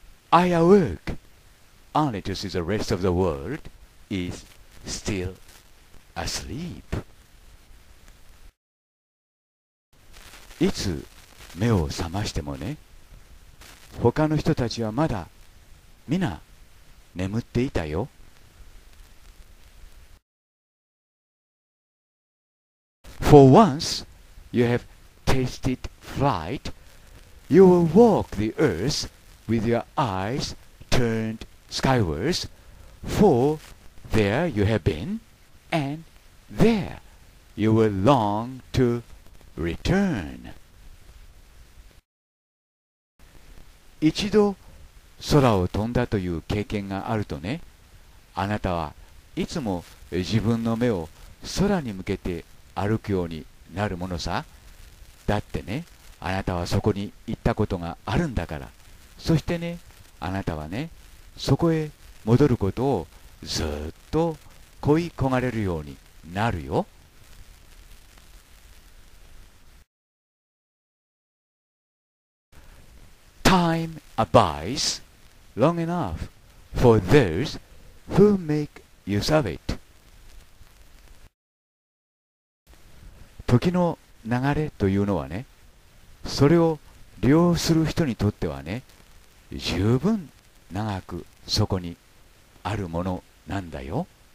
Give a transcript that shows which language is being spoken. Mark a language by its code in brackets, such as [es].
[en] I awoke only to see the rest of the world is still asleep. [ja] いつ目を覚ましてもね、他の人たちはまだ皆眠っていたよ。 [en] For once you have tasted flight, you will walk the earthWith your eyes turned skywards, for there you have been, and there you will long to return. [ja] 一度空を飛んだという経験があるとね、あなたはいつも自分の目を空に向けて歩くようになるものさ。だってね、あなたはそこに行ったことがあるんだから。そしてね、あなたはね、そこへ戻ることをずっと恋い焦がれるようになるよ。 [en] Time abides long enough for those who make use of it. [ja] 時の流れというのはね、それを利用する人にとってはね、十分長くそこにあるものなんだよ。